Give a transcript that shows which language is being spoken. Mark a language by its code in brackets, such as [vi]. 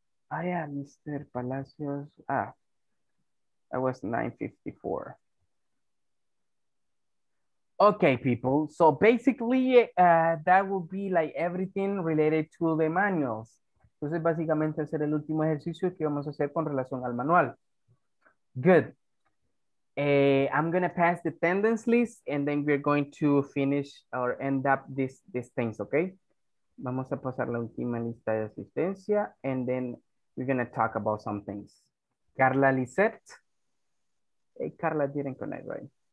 [en] Ah, yeah, Mr. Palacios. Ah, that was 9:54. Okay, people. So basically, that will be like everything related to the manuals. [es] Entonces, básicamente, hacer el último ejercicio que vamos a hacer con relación al manual. Good. [en] I'm going to pass the attendance list and then we're going to finish or end up these things, okay? [es] Vamos a pasar la última lista de asistencia [en] and then we're going to talk about some things. Carla Lisette. Hey, Carla didn't connect, right?